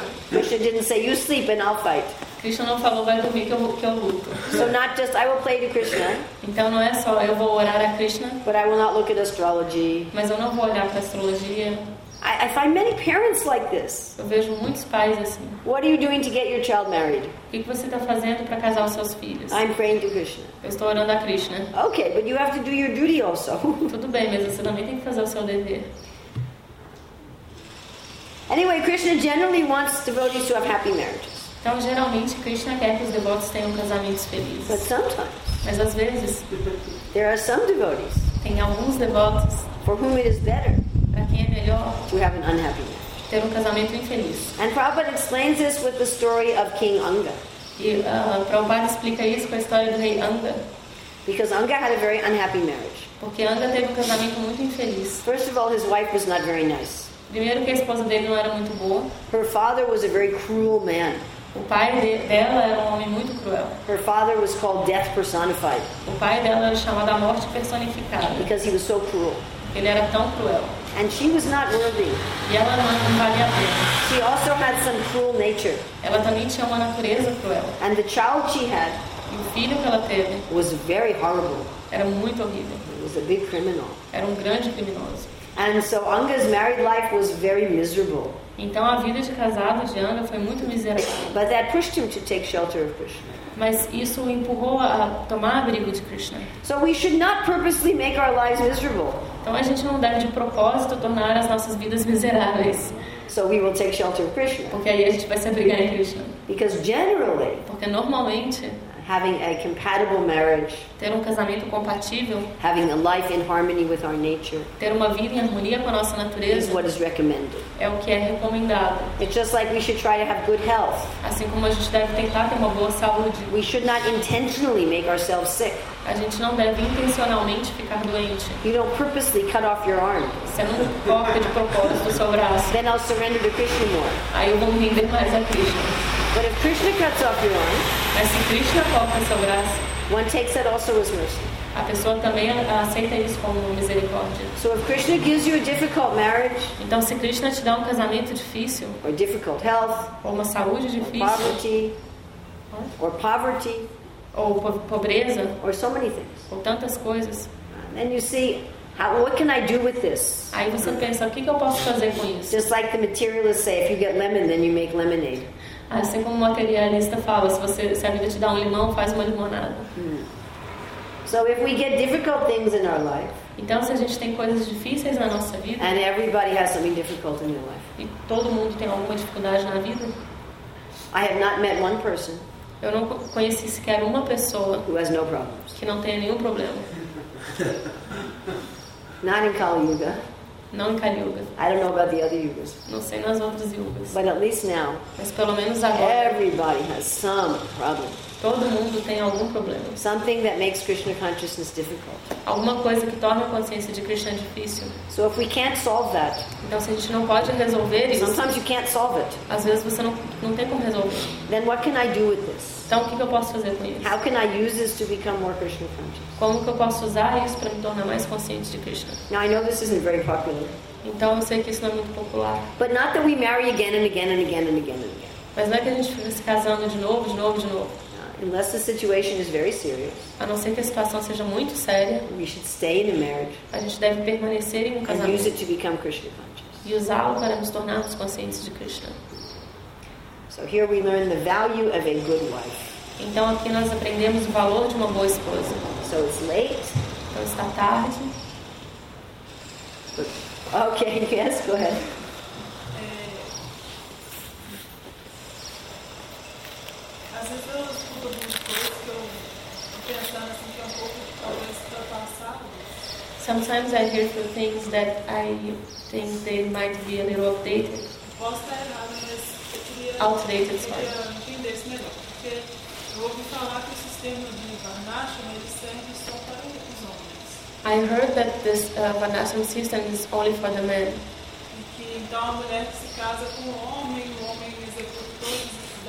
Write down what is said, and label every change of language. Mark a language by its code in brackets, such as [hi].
[en] Krishna didn't say you sleep and I'll fight. [pt] Krishna não falou vai dormir que eu luto. [en] So not just I will play to Krishna. [pt] Então não é só eu vou orar a Krishna. [en] But I will not look at astrology. [pt] Mas eu não vou olhar para astrologia. [en] I find many parents like this. [pt] Eu vejo muitos pais assim. [en] What are you doing to get your child married? [pt] O que você está fazendo para casar os seus filhos? [en] I'm praying to Krishna. [pt] Eu estou orando a Krishna. [en] Okay, but you have to do your duty also. [pt] Tudo bem, mas você também tem que fazer o seu dever. [en] Anyway, Krishna generally wants devotees to have happy marriages. [pt] Então, geralmente, Krishna quer que os devotos tenham casamentos felizes. [en] But sometimes, [pt] mas às vezes, [en] there are some devotees, [pt] tem alguns devotos [en] for whom it is better, [pt] para quem é melhor [en] to have an unhappy marriage. [pt] Ter um casamento infeliz. [en] And Prabhupada explains this with the story of King Anga. [pt] E Prabhupada explica isso com a história do rei Anga. [en] Because Anga had a very unhappy marriage. [pt] Porque Anga teve um casamento muito infeliz. [en] First of all, his wife was not very nice. [pt] Primeiro que a esposa dele não era muito boa. [en] Her father was a very cruel man. [pt] O pai dela era um homem muito cruel. [en] Her father was called death personified. [pt] O pai dela era chamado a morte personificada. [en] Because he was so cruel. [pt] Ele era tão cruel. [en] And she was not worthy. [pt] E ela não valia a pena. [en] She also had some cruel nature. [pt] Ela também tinha uma natureza cruel. [en] And the child she had, [pt] e o filho que ela teve, [en] was very horrible. [pt] Era muito horrível. [en] It was a big criminal. [pt] Era um grande criminoso. [en] And so Anga's married life was very miserable. [pt] Então a vida de casado de Anga foi muito miserável. [en] But that pushed him to take shelter of Krishna. [pt] Mas isso o empurrou a tomar abrigo de Krishna. [en] So we should not purposely make our lives miserable. [pt] Então a gente não deve de propósito tornar as nossas vidas miseráveis. [en] So we will take shelter of Krishna. [pt] Porque aí a gente vai se abrigar em Krishna. [en] Because generally, [pt] porque normalmente, [en] having a compatible marriage, [pt] ter um casamento compatível, [en] having a life in harmony with our nature, [pt] ter uma vida em harmonia com a nossa natureza, [en] is what is recommended. [pt] É o que é recomendado. [en] It's just like we should try to have good health. [pt] Assim como a gente deve tentar ter uma boa saúde. [en] We should not intentionally make ourselves sick. [pt] A gente não deve intencionalmente ficar doente. [en] You don't purposely cut off your arm. [pt] Você não corta de propósito seu braço. [en] Then I'll surrender to Krishna more. [pt] Aí eu vou me render mais a Krishna. [en] But if Krishna cuts off your arm, [pt] mas se Krishna corta seu braço, [en] one takes that also as mercy. [pt] A pessoa também aceita isso como misericórdia. [en] So if Krishna gives you a difficult marriage, [pt] então se Krishna te dá um casamento difícil, [en] or difficult health, [pt] ou uma saúde difícil, [en] or poverty, [pt] ou pobreza, [en] or so many things, [pt] ou tantas coisas, [en] then you see, what can I do with this? [pt] Aí você pensa, o que eu posso fazer com isso? [en] Just like the materialists say, if you get lemon, then you make lemonade. [pt] Assim como o materialista fala, se a vida te dá um limão, faz uma limonada. [en] So if we get difficult things in our life, [pt] então se a gente tem coisas difíceis na nossa vida, [en] and everybody has something difficult in their life, [pt] e todo mundo tem alguma dificuldade na vida, [en] I have not met one person, [pt] eu não conheci sequer uma pessoa [en] who has no problems, [pt] que não tenha nenhum problema. [en] Not in Kali Yuga. [pt] Não em Kali Yuga. [en] I don't know about the other yugas. [pt] Não sei nas outras yugas. [en] But at least now, [pt] mas pelo menos agora, [en] everybody has some problem. [pt] Todo mundo tem algum problema. [en] Something that makes Krishna consciousness difficult. [pt] Alguma coisa que torna a consciência de Krishna difícil. [en] So if we can't solve that, [pt] então se a gente não pode resolver isso, [en] sometimes you can't solve it. [pt] Às vezes você não tem como resolver. [en] Then what can I do with this? [pt] Então o que eu posso fazer com isso? [en] How can I use this to become more Krishna conscious? [pt] Como que eu posso usar isso para me tornar mais consciente de Krishna? [en] Now I know this isn't very popular. [pt] Então eu sei que isso não é muito popular. [en] But not that we marry again and again and again and again and again. [pt] Mas não é que a gente fica se casando de novo, de novo, de novo. [en] Unless the situation is very serious, [pt] a não ser que a situação seja muito séria, [en] we should stay in a marriage, [pt] a gente deve permanecer em um casamento, [en] and use it to become Krishna conscious, [pt] e usá-lo para nos tornarmos conscientes de Krishna. [en] So here we learn the value of a good wife. [pt] Então aqui nós aprendemos o valor de uma boa esposa. [en] So it's late. [pt] Então está tarde. [en] Okay, yes, go ahead. [pt] Às vezes eu escuto algumas coisas que eu pensando assim que é um pouco talvez ultrapassado. [en] Sometimes I hear some things that I think they might be a little outdated. [pt] Posso estar errado, mas eu queria [en] outdated, [pt] eu queria entender isso melhor. Porque eu ouvi falar que o sistema de Varnashram ele serve só para os homens. [en] I heard that this Varnashram system is only for the men. [pt] E que então a mulher que se casa com o homem executa todos os.